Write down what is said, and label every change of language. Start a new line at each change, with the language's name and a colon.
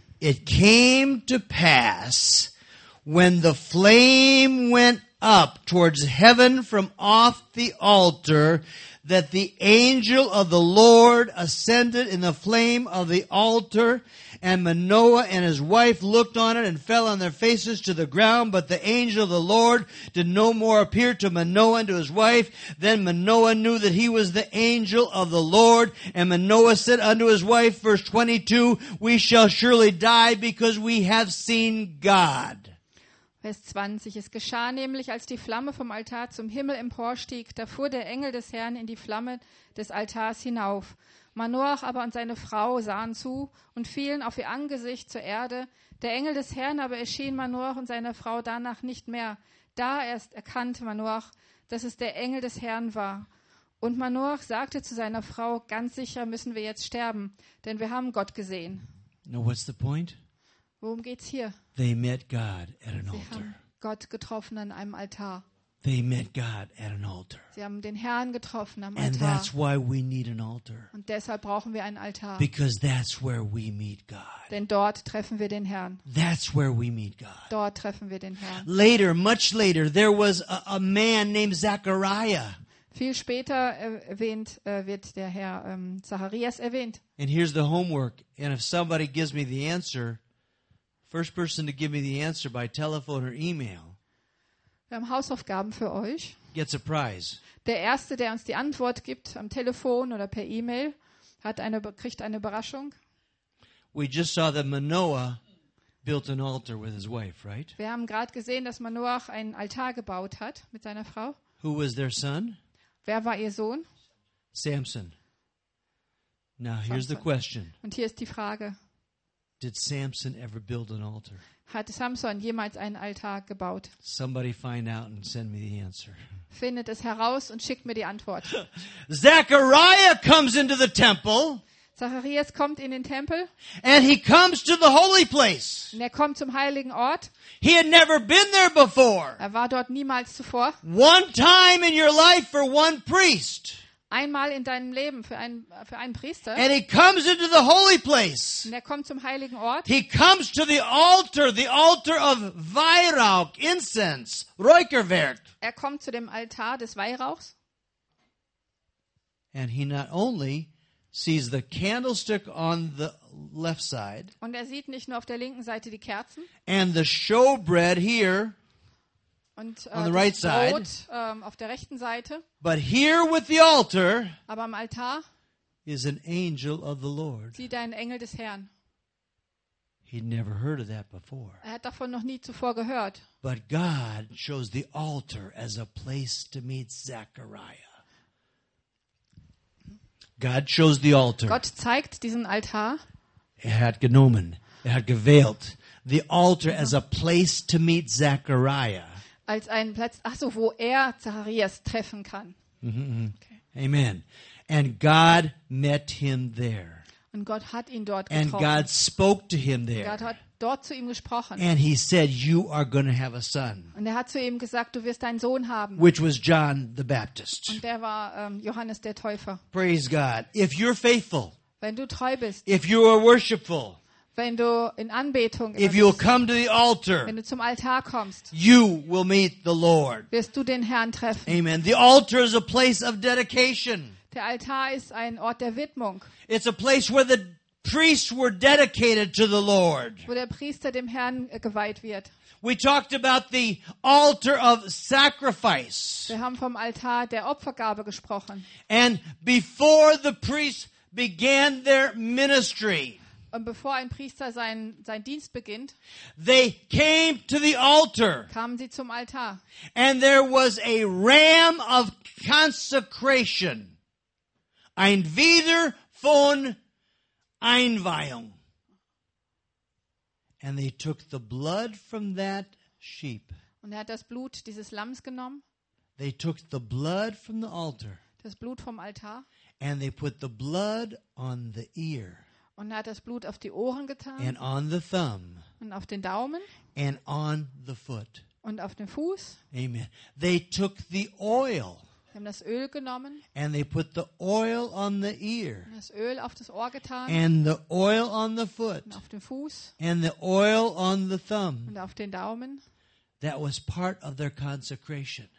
English: it came to pass, when the flame went up towards heaven from off the altar, that the angel of the Lord ascended in the flame of the altar, and Manoah and his wife looked on it and fell on their faces to the ground, but the angel of the Lord did no more appear to Manoah and to his wife. Then Manoah knew that he was the angel of the Lord, and Manoah said unto his wife, verse 22, we shall surely die because we have seen God.
German: Vers 20. Es geschah nämlich, als die Flamme vom Altar zum Himmel emporstieg, da fuhr der Engel des Herrn in die Flamme des Altars hinauf. Manoach aber und seine Frau sahen zu und fielen auf ihr Angesicht zur Erde. Der Engel des Herrn aber erschien Manoach und seiner Frau danach nicht mehr. Da erst erkannte Manoach, dass es der Engel des Herrn war. Und Manoach sagte zu seiner Frau, ganz sicher müssen wir jetzt sterben, denn wir haben Gott gesehen.
English: Now what's the point?
German: Worum geht's hier?
English: They met God at an altar.
German: Sie haben Gott getroffen an einem Altar.
English: They met God at an altar.
German: Sie haben den Herrn getroffen am Altar.
English: And that's why we need an altar.
German: Und deshalb brauchen wir einen Altar.
English: Because that's where we meet God.
German: Denn dort treffen wir den Herrn.
English: That's where we meet God.
German: Dort treffen wir den Herrn.
English: Later, much later, there was a man named Zechariah.
German: Viel später erwähnt wird der Herr Zacharias erwähnt.
English: And here's the homework. And if somebody gives me the answer, first person to give me the answer by telephone or email.
German: Wir haben Hausaufgaben für euch.
English: Gets a prize.
German: Der erste, der uns die Antwort gibt am Telefon oder per E-Mail, kriegt eine Überraschung.
English: We just saw that Manoah built an altar with his wife, right?
German: Wir haben gerade gesehen, dass Manoah einen Altar gebaut hat mit seiner Frau.
English: Who was their son?
German: Wer war ihr Sohn?
English: Samson. Now here's the question.
German: Und hier ist die Frage.
English: Did Samson ever build an altar?
German: Hat Samson jemals einen Altar gebaut?
English: Somebody find out and send me the answer.
German: Findet es heraus und schickt mir die Antwort.
English: Zechariah comes into the temple.
German: Zacharias kommt in den Tempel.
English: And he comes to the holy place.
German: Und er kommt zum heiligen Ort.
English: He had never been there before.
German: Er war dort niemals zuvor.
English: One time in your life for one priest.
German: Einmal in deinem Leben für einen Priester.
English: And he comes into the holy place.
German: Und er kommt zum heiligen Ort.
English: He comes to the altar of Weihrauch, incense, Räucherwerk.
German: Er kommt zu dem Altar des Weihrauchs.
English: And he not only sees the candlestick on the left side.
German: Und er sieht nicht nur auf der linken Seite die Kerzen.
English: And the showbread here.
German: Und
English: on the right side,
German: auf der rechten Seite.
English: But here with the altar,
German: aber am Altar,
English: is an angel of the Lord.
German: Sieht ein Engel des Herrn.
English: He'd never heard of that before.
German: Er hat davon noch nie zuvor gehört.
English: But God chose the altar as a place to meet Zechariah. God chose the altar.
German: Gott zeigt diesen Altar. Er hat genommen. Er hat gewählt.
English: The altar as a place to meet Zechariah.
German: Als einen Platz, wo er Zacharias treffen kann.
English: Mm-hmm. Okay. Amen. And God met him there.
German: Und Gott hat ihn dort getroffen.
English: And God spoke to him there.
German: Gott hat dort zu ihm gesprochen.
English: And he said, you are going to have a son.
German: Und er hat zu ihm gesagt, du wirst einen Sohn haben.
English: Which was John the Baptist.
German: Und der war Johannes der Täufer.
English: Praise God. If you're faithful.
German: Wenn du treu bist.
English: If you are worshipful.
German: Wenn du in Anbetung
English: if you'll come to the altar,
German: wenn du zum Altar kommst,
English: you will meet the Lord.
German: Wirst du den Herrn treffen.
English: Amen. The altar is a place of dedication.
German: Der Altar ist ein Ort der Widmung.
English: It's a place where the priests were dedicated to the Lord.
German: Wo der Priester dem Herrn geweiht wird.
English: We talked about the altar of sacrifice.
German: Wir haben vom Altar der Opfergabe gesprochen.
English: And before the priests began their ministry.
German: Und bevor ein Priester sein Dienst beginnt,
English: they came to the altar,
German: kamen sie zum Altar.
English: And there was a ram of consecration.
German: Ein Wider von Einweihung.
English: And they took the blood from that sheep.
German: Und er hat das Blut dieses Lamms genommen.
English: They took the blood from the altar.
German: Das Blut vom Altar.
English: And they put the blood on the ear.
German: Und er hat das Blut auf die Ohren getan.
English: And on the thumb.
German: Und auf den Daumen.
English: And on the foot.
German: Und auf den Fuß.
English: Amen. They took the oil.
German: Sie haben das Öl genommen.
English: And they put the oil on the ear.
German: Das Öl auf das Ohr getan.
English: And the oil on the foot.
German: Und auf den Fuß.
English: And the oil on the thumb.
German: Und auf den Daumen.
English: That was part of their consecration.